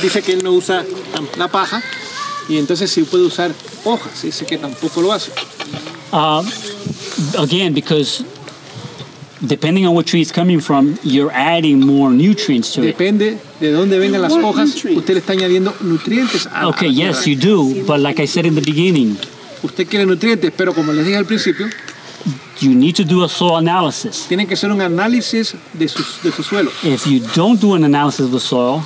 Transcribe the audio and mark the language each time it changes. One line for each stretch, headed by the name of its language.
Spanish: Dice que él no usa la paja, y entonces sí puede usar hojas. Dice que tampoco lo hace.
English: Again, because depending on what tree is coming from, you're adding more nutrients to it.
Spanish: Depende de dónde vengan las hojas, usted le está añadiendo nutrientes a la
English: Okay, yes, you do, but like I said in the beginning,
Spanish: usted quiere nutrientes, pero como les dije al principio,
English: you need to do a soil analysis.
Spanish: Tienen que hacer un análisis de su suelo.
English: If you don't do an analysis of the soil,